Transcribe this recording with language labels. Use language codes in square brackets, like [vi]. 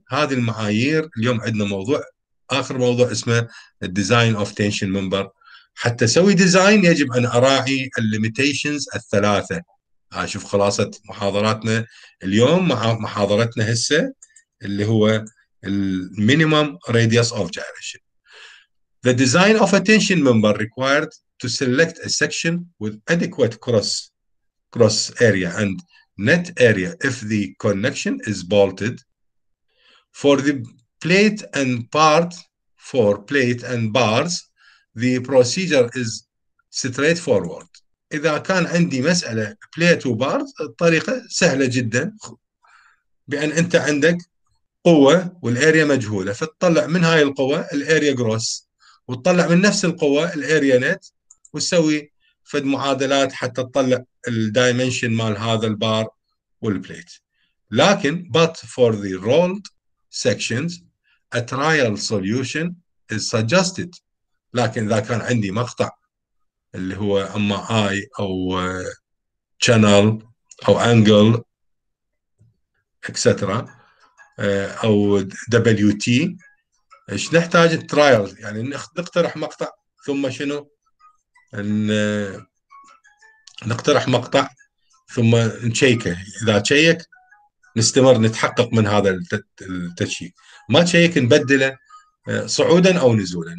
[ar] هذه المعايير اليوم عندنا موضوع آخر، موضوع اسمه [en] Design of Tension Member. [ar] حتى سوي ديزاين يجب أن أراعي الليميتيشنز الثلاثة. أشوف خلاصة محاضراتنا اليوم مع محاضرتنا هسة اللي هو [en] Minimum Radius of Gyration. The design of a tension member required to select a section with adequate cross area and net area if the connection is bolted for the plate and part. For plate and bars the procedure is straightforward. [ar] إذا كان عندي مسألة plate وبارز الطريقة سهلة جدا، بأن أنت عندك قوة والأريا مجهولة، فتطلع من هاي القوة الأريا gross، وتطلع من نفس القوة الأريا net، وتسوي فد معادلات حتى تطلع الدايمنشن مال هذا البار والبليت. [en] لكن but for the rolled sections a trial solution is suggested. [ar] لكن إذا كان عندي مقطع اللي هو أما I أو channel أو angle etc أو WT، إيش نحتاج trial؟ يعني نقترح مقطع، ثم شنو نقترح مقطع ثم نشيكه، إذا شيك نستمر نتحقق من هذا التشيك، ما تشيك نبدله صعودا أو نزولا.